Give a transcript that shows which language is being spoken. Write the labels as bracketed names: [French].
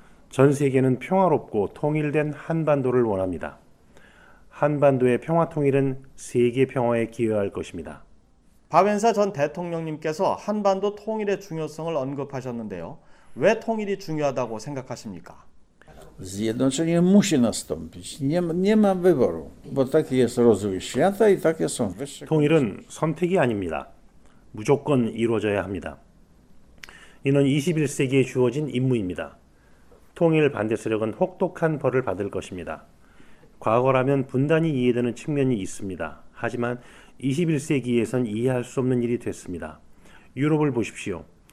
[Korean] 전 세계는 평화롭고 통일된 한반도를 원합니다. 한반도의 평화 통일은 세계 평화에 기여할 것입니다. 바웬사 전 대통령님께서 한반도 통일의 중요성을 언급하셨는데요. 왜 통일이 중요하다고 생각하십니까? [Polish] Zjednoczenie musi nastąpić. Nie ma wyboru. Bo taki jest rozwój świata i takie są wyższe. [Korean] 통일은 선택이 아닙니다. 무조건 이루어져야 합니다. 이는 21세기에 주어진 임무입니다. 통일 반대 세력은 혹독한 벌을 받을 것입니다. 과거라면 분단이 이해되는 측면이 있습니다. 하지만 21세기에선 이해할 수 없는 일이 됐습니다. 유럽을 보십시오.